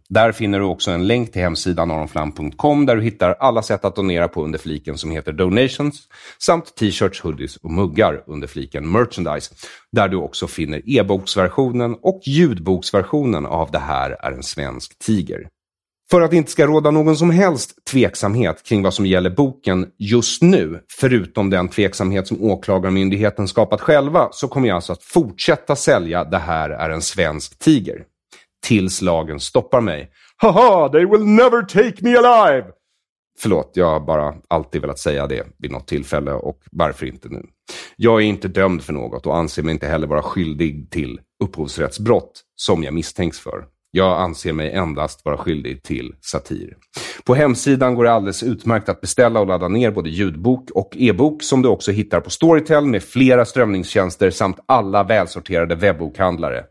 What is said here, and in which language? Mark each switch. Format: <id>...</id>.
<sv>Där finner du också en länk till hemsidan aronflam.com där du hittar alla sätt att donera på under fliken som heter Donations samt t-shirts, hoodies och muggar under fliken Merchandise där du också finner e-boksversionen och ljudboksversionen av det här är en svensk tiger. För att det inte ska råda någon som helst tveksamhet kring vad som gäller boken just nu, förutom den tveksamhet som åklagarmyndigheten skapat själva, så kommer jag alltså att fortsätta sälja det här är en svensk tiger. Tills lagen stoppar mig.</sv> <en>Haha, they will never take me alive!</en> <sv>Förlåt, jag har bara alltid velat säga det vid något tillfälle och varför inte nu? Jag är inte dömd för något och anser mig inte heller vara skyldig till upphovsrättsbrott som jag misstänks för. Jag anser mig endast vara skyldig till satir. På hemsidan går det alldeles utmärkt att beställa och ladda ner både ljudbok och e-bok som du också hittar på Storytel med flera strömningstjänster samt alla välsorterade webbokhandlare.</sv>